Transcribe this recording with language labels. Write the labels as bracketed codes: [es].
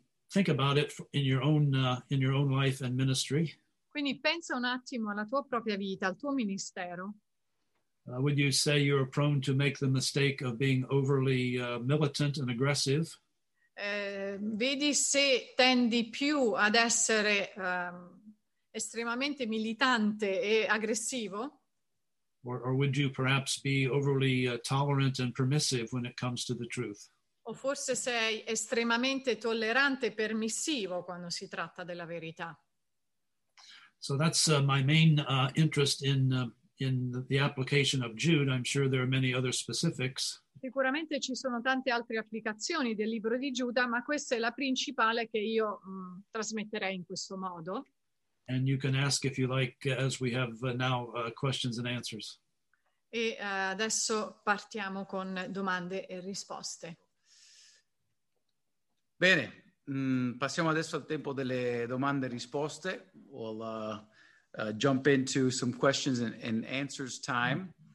[en] Think about it in your own life and ministry. [it] Quindi pensa un attimo alla tua propria vita, al tuo ministero. [en] Would you say you're prone to make the mistake of being overly militant and aggressive? [it] Vedi se tendi più ad essere estremamente militante e aggressivo? [en] Or would you perhaps be overly tolerant and permissive when it comes to the truth? [it] O forse sei estremamente tollerante e permissivo quando si tratta della verità. [en] So that's my main interest in the application of Jude. I'm sure there are many other specifics. [it] Sicuramente ci sono tante altre applicazioni del libro di Giuda, ma questa è la principale che io trasmetterei in questo modo. [en] And you can ask if you like, as we have now questions and answers. [it] E adesso partiamo con domande e risposte. Bene, passiamo adesso al tempo delle domande e risposte. [en] We'll jump into some questions and answers time.